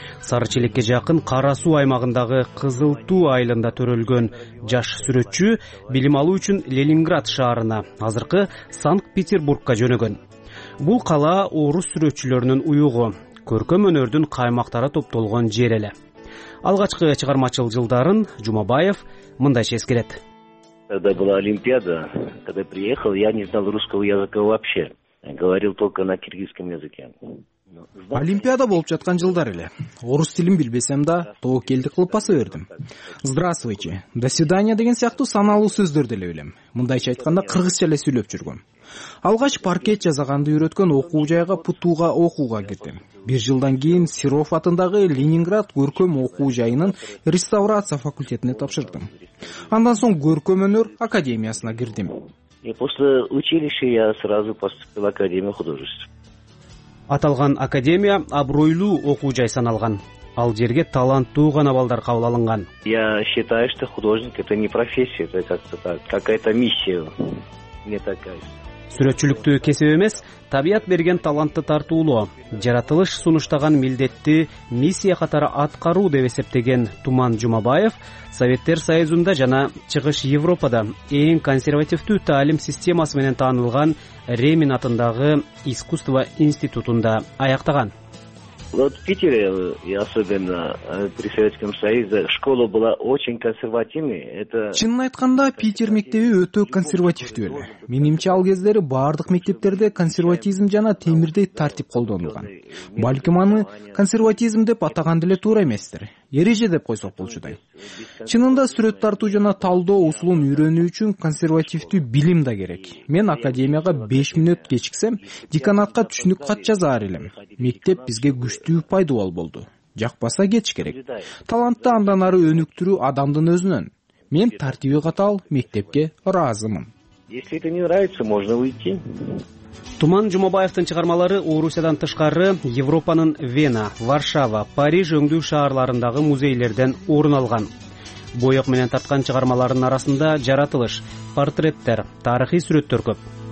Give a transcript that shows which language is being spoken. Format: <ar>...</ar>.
<ky>Сары Челекке жакын Кара Суу аймагындагы Кызыл Туу айылында төрөлгөн жаш сүрөтчү билим алуу үчүн Ленинград шаарына, азыркы Санкт-Петербургка жөнөгөн. Бул кала орус сүрөтчүлөрүнүн уюгу, көркөм өнөрдүн каймактары топтолгон жер эле. Алгачкы чыгармачыл жылдарын Жумабаев мындайча эскерет.</ky> <ru>Когда была Олимпиада, когда приехал, я не знал русского языка вообще. Говорил только на киргизском языке.</ru> <ky>Олимпиада болуп жаткан жылдар эле. Орус тилин билбесем да, тоо келди кылып баса бердим.</ky> <ru>Здравствуйте, до свидания</ru> <ky>деген сыяктуу саналуу сөздөрдү эле билем. Мындайча айтканда кыргызча эле сүйлөп жүргөм. Алгач паркет жазганды үйрөткөн окуу жайга ПТУ-га окууга кирдим. Бир жылдан кийин Сиров атындагы Ленинград көркөм окуу жайынын реставрация факультетине тапшырдым. Андан соң көркөм өнөр академиясына кирдим.</ky> <ru>После училища я сразу поступил в Академию художеств.</ru> <ky>Аталган академия абройлуу окуу жай саналган. Ал жерге таланттуу гана балдар кабыл алынган.</ky> <ru>Я считаю, что художник это не профессия, это как-то так, какая-то миссия. Не такая.</ru> <ky>Сүрөтчүлүктү кесип эмес, табият берген талантты тартуулоо, жаратылыш сунуштаган милдетти миссия катары аткаруу деп эсептеген Туман Жумабаев Советтер Союзунда жана Чыгыш Европада эң консервативдүү таалим системасы менен таанылган Ремин атындагы искусство институтунда аяктаган.</ky> <ru>Вот в Питере, и особенно при Советском Союзе, школа была очень консервативной. Это</ru> <ky>чынын айтканда, Питер мектеби өтө консервативдүү эле. Менимче ал кездери бардык мектептерде консерватизм жана темирдей тартип колдонулган. Балким аны консерватизм деп атаган деле туура эместир. Эреже деп койсок болчудай. Чынында сүрөт тартуу жана талдоо усулун үйрөнүү үчүн консервативдүү билим да керек. Мен академияга 5 мүнөт кечиксем, деканатка түшүнүк кат жазар элем. Мектеп бизге күчтүү пайдубал болду. Жакпаса кеч керек. Талантты андан ары өнүктүрүү адамдын өзүнөн. Мен тартиби катаал мектепке ыраазымын.</ky> <ru>Если это не нравится, можно уйти.</ru> <ky>Туман Жумабаевдин чыгармалары Орусиядан тышкары Европанын Вена, Варшава, Париж өңдүү шаарларындагы музейлерден орун алган. Боек менен тарткан чыгармаларынын арасында жаратылыш, портреттер, тарыхый сүрөттөр көп.</ky>